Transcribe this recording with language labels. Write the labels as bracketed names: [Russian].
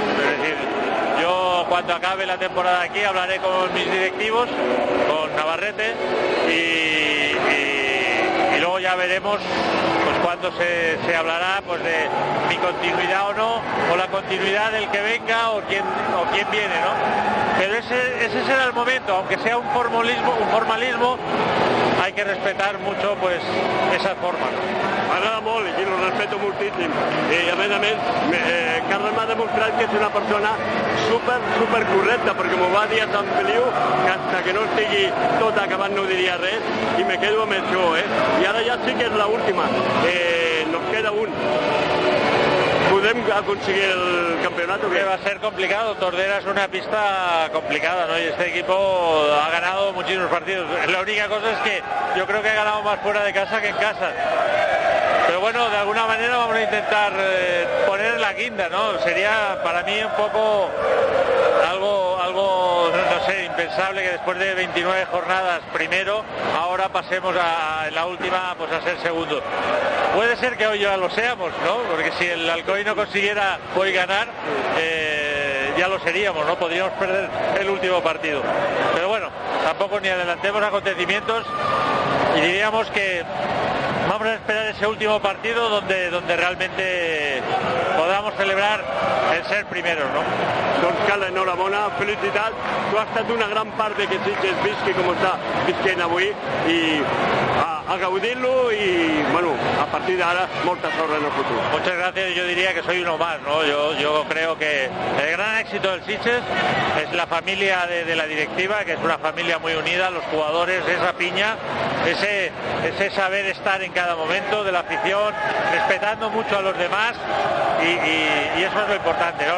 [Spanish] Es decir, yo cuando acabe la temporada aquí hablaré con mis directivos, con Navarrete, y luego ya veremos pues cuándo se hablará pues de mi continuidad o no, o la continuidad del que venga o quién viene, ¿no? Pero ese será el momento, aunque sea un formalismo, hay que respetar mucho pues esa forma, ¿no? [Catalan] M'agrada molt i [Spanish] lo respeto [Catalan] moltíssim. I a més, Carles m'ha demostrat que és una persona super, super correcta, perquè m'ho va dir a Sant Feliu, que fins que no estigui tot acabat no diria res, i [Spanish] me quedo [Catalan] amb això, eh? I ara ja sí que és l'última. [Spanish] Nos queda un. [Catalan] ¿Podem aconseguir el campeonato? [Spanish] Que va a ser complicado. Tordera es una pista complicada, ¿no? Y este equipo ha ganado muchísimos partidos. La única cosa es que yo creo que ha ganado más fuera de casa que en casa. Pero bueno, de alguna manera vamos a intentar poner la guinda, ¿no? Sería para mí un poco algo, no sé, impensable que después de 29 jornadas primero, ahora pasemos a la última, pues a ser segundo. Puede ser que hoy ya lo seamos, ¿no? Porque si el Alcoy no consiguiera hoy ganar, ya lo seríamos, ¿no? Podríamos perder el último partido. Pero bueno, tampoco ni adelantemos acontecimientos y diríamos que vamos a esperar ese último partido donde realmente podamos celebrar el ser primero, ¿no? [Catalan] Doncs Carles, enhorabona, felicitat. Tu has estat una gran part de que Sitges visqui com està visquent avui i a gaudir-lo i, bueno, a partir d'ara, molta sort en el futur. [Spanish] Muchas gracias, yo diría que soy uno más, ¿no? Yo creo que el gran éxito del Sitges es la familia de la directiva, que es una familia muy unida, los jugadores, esa piña, ese saber estar en cada momento de la afición, respetando mucho a los demás y eso es lo importante, ¿no?